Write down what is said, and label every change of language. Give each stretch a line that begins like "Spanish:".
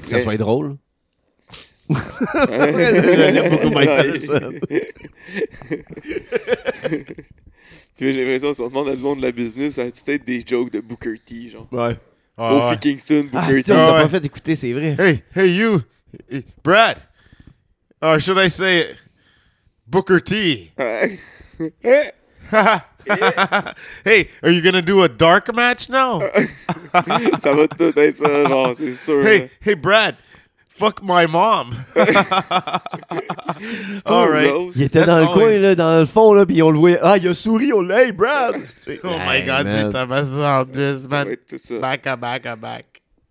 French: pour que ça soit drôle. J'aime beaucoup Mike Patterson. Puis j'ai l'impression, si on demande à du monde de la business, ça va peut-être être des jokes de Booker T, genre. Ouais. Kofi Kingston, Booker T. Ah, si, on t'a pas fait écouter, c'est vrai.
English: Hey, you, Brad, or should I say Booker T?
French: Ouais.
English: Hey, are you gonna do a dark match now?
French: Ça va tout être ça, genre, c'est sûr.
English: Hey, Brad. Fuck my mom.
French: C'est pas right. Il était That's dans le coin, là, dans le fond, là, puis on le voyait. Ah, il a souri, on l'a, hey, Brad.
English: Oh my God,
French: c'est Thomas en plus, man. Back à back à back.